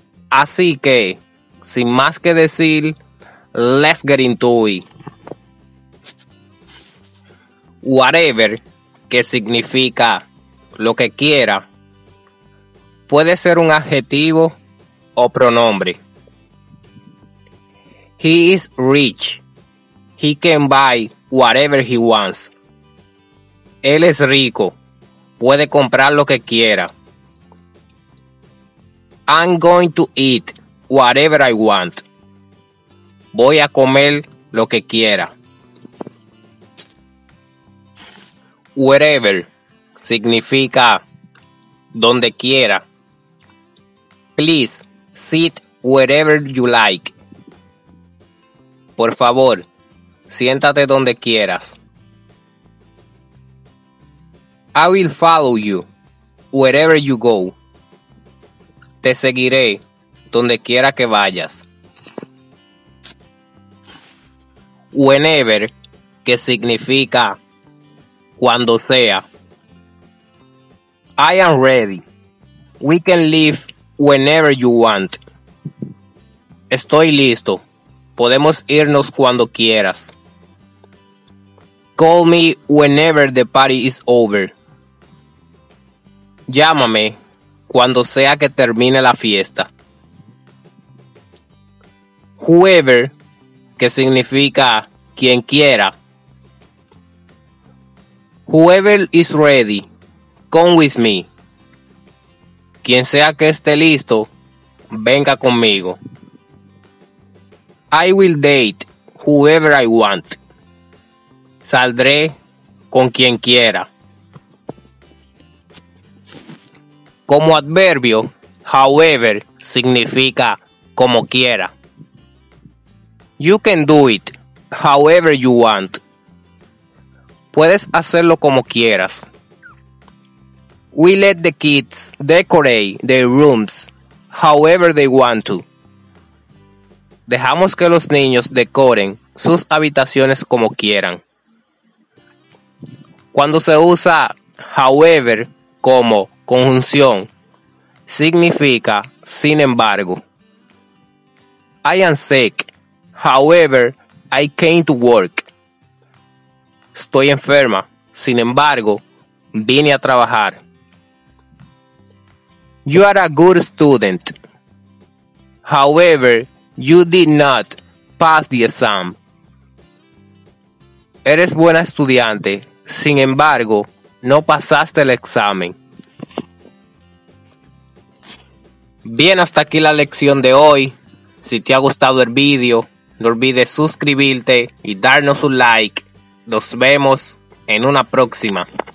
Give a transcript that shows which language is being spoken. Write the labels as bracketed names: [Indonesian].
[Spanish] Así que, sin más que decir, [English] let's get into it. [Spanish] Whatever, que significa lo que quiera, puede ser un adjetivo o pronombre. [English] He is rich. He can buy whatever he wants. [Spanish] Él es rico. Puede comprar lo que quiera. [English] I'm going to eat whatever I want. [Spanish] Voy a comer lo que quiera. Wherever significa donde quiera. [English] Please sit wherever you like. [Spanish] Por favor, siéntate donde quieras. [English] I will follow you wherever you go. [Spanish] Te seguiré donde quiera que vayas. Whenever, que significa cuando sea. [English] I am ready. We can leave whenever you want. [Spanish] Estoy listo. Podemos irnos cuando quieras. [English] Call me whenever the party is over. [Spanish] Llámame cuando sea que termine la fiesta. Whoever, que significa quien quiera. [English] Whoever is ready, come with me. [Spanish] Quien sea que esté listo, venga conmigo. [English] I will date whoever I want. [Spanish] Saldré con quien quiera. Como adverbio, however significa como quiera. [English] You can do it however you want. [Spanish] Puedes hacerlo como quieras. [English] We let the kids decorate their rooms however they want to. [Spanish] Dejamos que los niños decoren sus habitaciones como quieran. Cuando se usa however como conjunción, significa sin embargo. [English] I am sick. However, I came to work. [Spanish] Estoy enferma. Sin embargo, vine a trabajar. [English] You are a good student. However, you did not pass the exam. [Spanish] Eres buena estudiante. Sin embargo, no pasaste el examen. Bien, hasta aquí la lección de hoy. Si te ha gustado el video, no olvides suscribirte y darnos un like. Nos vemos en una próxima.